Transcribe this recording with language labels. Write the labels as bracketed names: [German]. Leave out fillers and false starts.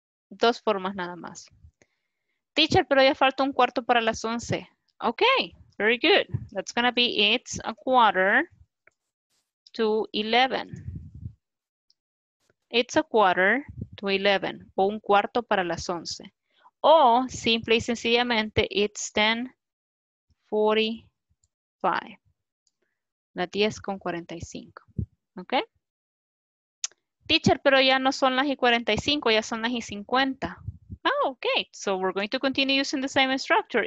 [Spanish] Dos formas nada más. Teacher, pero ya falta un cuarto para las 11. Ok. [English] Very good. That's going to be it's a quarter to 11. It's a quarter to 11. [Spanish] O un cuarto para las 11. O simple y sencillamente, [English] it's 10:45. [Spanish] Las 10:45. Okay? Teacher, pero ya no son las y 45, ya son las y 50. [English] Oh, okay. So we're going to continue using the same structure.